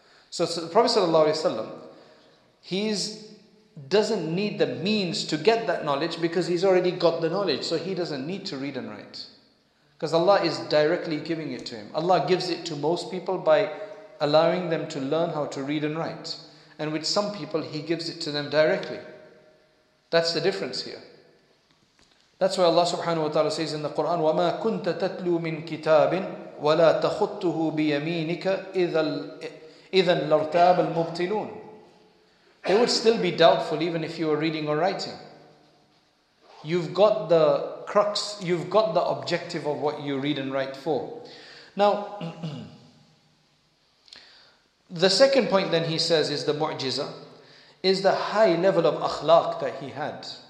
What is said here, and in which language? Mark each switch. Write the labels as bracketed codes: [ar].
[en] So the Prophet sallallahu alaihi wasallam, he doesn't need the means to get that knowledge because he's already got the knowledge. So he doesn't need to read and write. Because Allah is directly giving it to him. Allah gives it to most people by allowing them to learn how to read and write. And with some people, He gives it to them directly. That's the difference here. That's why Allah subhanahu wa ta'ala says in the Quran, [ar] وَمَا كُنْتَ تَتْلُو مِن كِتَابٍ وَلَا تَخُطُّهُ بِيَمِينِكَ إِذًا لَرْتَابَ الْمُبْتِلُونَ. [en] They would still be doubtful even if you were reading or writing. You've got the crux, you've got the objective of what you read and write for. Now, the second point then he says is the mu'jiza, is the high level of akhlaq that he had.